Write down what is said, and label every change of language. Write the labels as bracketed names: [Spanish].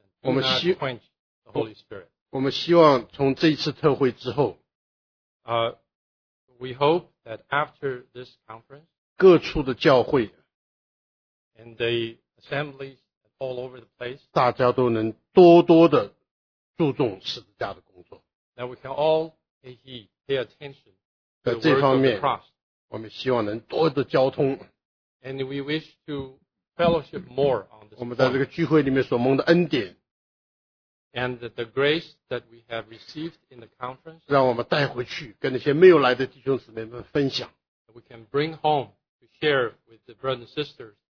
[English] And do not quench the Holy Spirit. [Chinese] 我们希望从这一次特会之后， [English] We hope that after this conference, [Chinese] 各处的教会。 [English] And the assemblies all over the place. [Chinese] 大家都能多多的注重十字架的工作。 [English] That we can all pay heed, pay attention to the work of the cross. [Chinese] 我们希望能多的交通。 [English] And we wish to fellowship more on this. [Chinese] 我们在这个聚会里面所蒙的恩典。 [English] And the grace that we have received in the conference. [Chinese] 让我们带回去跟那些没有来的弟兄姊妹们分享。 [English] We can bring home to share with the brothers and sisters.